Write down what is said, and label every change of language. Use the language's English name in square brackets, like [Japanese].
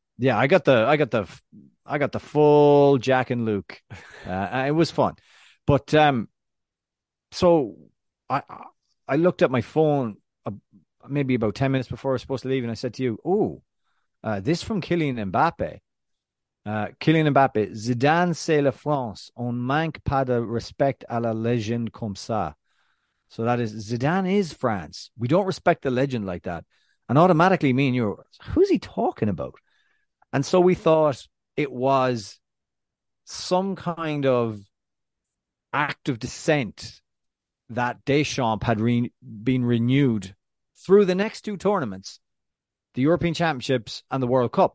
[English] Yeah, I got the full Jack and Luke. it was fun, but so I looked at my phone maybe about 10 minutes before I was supposed to leave, and I said to you, "Ooh, this from Kylian Mbappe. [French] Kylian Mbappe, Zidane c'est la France, on manque pas de respect à la légende comme ça." [English] So that is, Zidane is France. We don't respect the legend like that. And automatically me and you, who's he talking about? And so we thought it was some kind of act of dissent that Deschamps had been renewed through the next two tournaments, the European Championships and the World Cup.